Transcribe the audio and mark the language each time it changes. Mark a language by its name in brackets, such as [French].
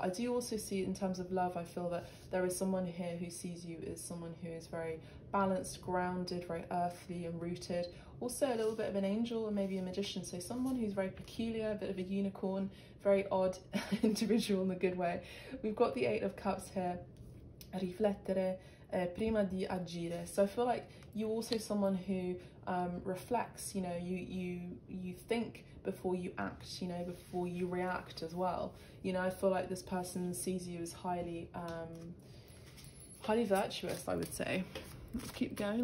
[English] I do also see in terms of love, I feel that there is someone here who sees you as someone who is very balanced, grounded, very earthly and rooted. Also a little bit of an angel and maybe a magician. So someone who's very peculiar, a bit of a unicorn, very odd individual in a good way. We've got the Eight of Cups here. [Italian] Riflettere prima di agire. [English] So I feel like you're also someone who reflects, you know, you think before you act, you know, before you react as well. You know, I feel like this person sees you as highly, highly virtuous, I would say. Let's keep going.